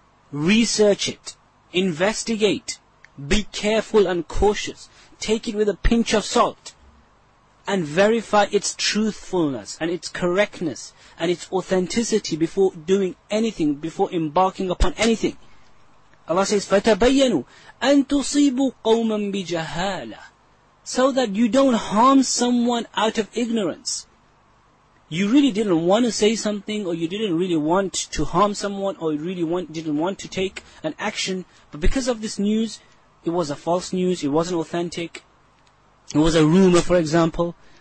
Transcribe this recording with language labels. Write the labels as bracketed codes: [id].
[en] Research it. Investigate. Be careful and cautious. Take it with a pinch of salt. And verify its truthfulness and its correctness and its authenticity before doing anything, before embarking upon anything. Allah says, [ar] فَتَبَيَّنُوا أَن تُصِيبُوا قَوْمًا بِجَهَالَةٍ. [en] So that you don't harm someone out of ignorance. You really didn't want to say something, or you didn't really want to harm someone, or you really didn't want to take an action, but because of this news, it was a false news, it wasn't authentic, it was a rumor, for example.